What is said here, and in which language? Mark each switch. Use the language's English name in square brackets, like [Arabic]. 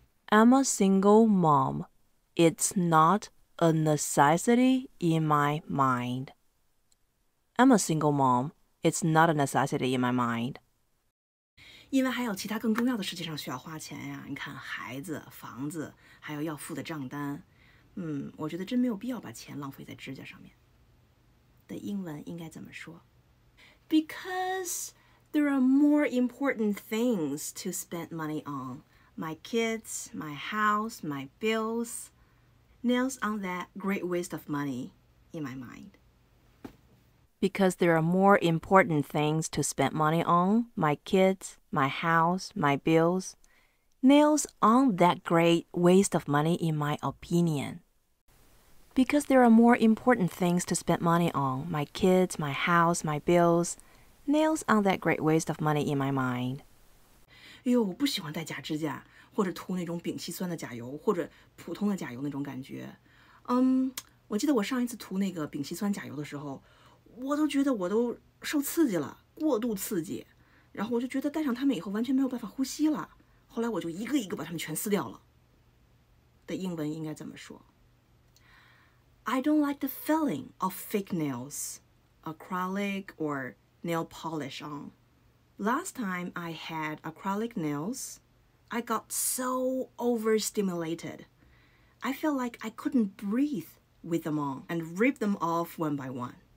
[English] I'm a single mom. It's not a necessity in my mind. I'm a single mom. It's not a necessity in my mind. [Chinese] 因为还有其他更重要的事情上需要花钱呀，你看孩子、房子，还有要付的账单。嗯，我觉得真没有必要把钱浪费在指甲上面。的英文应该怎么说？ [English] Because there are more important things to spend money on. My kids, my house, my bills. Nails aren't that great waste of money in my mind. Because there are more important things to spend money on. My kids, my house, my bills. Nails aren't that great waste of money in my opinion. Because there are more important things to spend money on, my kids, my house, my bills, nails aren't that great waste of money in my mind. [Chinese] 哎呦，我不喜欢戴假指甲，或者涂那种丙烯酸的甲油，或者普通的甲油那种感觉。我记得我上一次涂那个丙烯酸甲油的时候，我都觉得我都受刺激了，过度刺激，然后我就觉得戴上它们以后完全没有办法呼吸了。后来我就一个一个把它们全撕掉了。的英文应该怎么说？ [English] I don't like the feeling of fake nails, acrylic or nail polish on. Last time I had acrylic nails, I got so overstimulated. I felt like I couldn't breathe with them on and rip them off one by one.